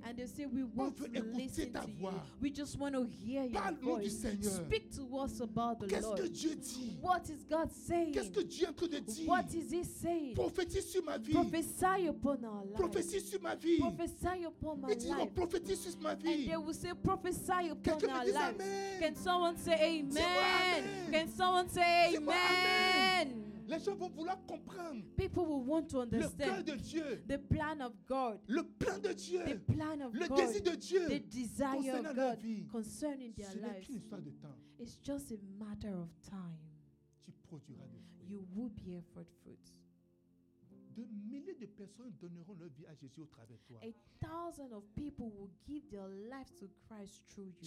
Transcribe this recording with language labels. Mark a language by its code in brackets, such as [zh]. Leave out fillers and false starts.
[en] And they say we want to listen to you. [fr] On veut écouter ta voix. [en] We just want to hear your voice. [fr] Parle-nous du Seigneur. [en] Speak to us about the [fr] qu'est-ce [en] Lord. [fr] Qu'est-ce que Dieu dit? [en] What is God saying? [fr] Qu'est-ce que Dieu est en train de dire? [en] What is he saying? [fr] Prophétise sur ma vie. [en] Prophesy upon our life. [fr] Prophétise sur ma vie. [en] Prophesy upon my life. [fr] Et dis-moi, prophétise sur ma vie. [en] And they will say, prophesy upon our life. Amen. Can someone say amen? Amen. Can someone say amen? [fr] Amen. Les gens vont vouloir comprendre. [en] People will want to understand. [fr] Le cœur de Dieu. [en] The plan of God. [fr] Le plan de Dieu. [en] The plan of [fr] le [en] God. [fr] Le désir de Dieu. [en] The desire of God. [fr] Leur vie. [en] Concerning their [fr] ce [en] lives. [fr] Ce n'est qu'une histoire de temps. [en] It's just a matter of time. [fr] Tu produiras des fruits. [en] You will bear forth fruits. [fr] De milliers de personnes donneront leur vie à Jésus au travers de toi. [en] A thousand of people will give their life to Christ through you.